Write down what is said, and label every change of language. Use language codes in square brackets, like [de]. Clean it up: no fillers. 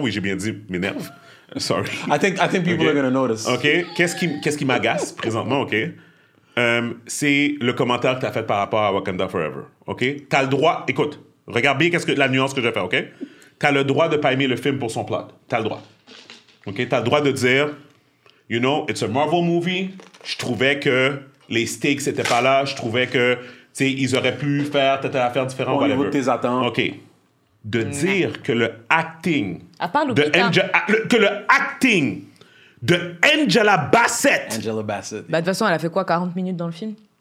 [fr] Oui, j'ai bien dit m'énerve. [en] Sorry. I think people are gonna notice. [fr] OK. Qu'est-ce qui m'agace présentement, OK? C'est le commentaire que tu as fait par rapport à Wakanda Forever. OK? Tu as le droit... Écoute, regarde bien la nuance que je fais, OK? Tu as le droit de ne pas aimer le film pour son plot. Tu as le droit. OK? Tu as le droit de dire, [en] you know, it's a Marvel movie. [fr] Je trouvais que les stakes n'étaient pas là. Je trouvais que... Tu sais, ils auraient pu faire ta affaire différente. Au niveau de tes attentes. OK. De dire que le acting... À part de que le acting de Angela Bassett. Bah, de toute façon, elle a fait quoi, 40 minutes dans le film?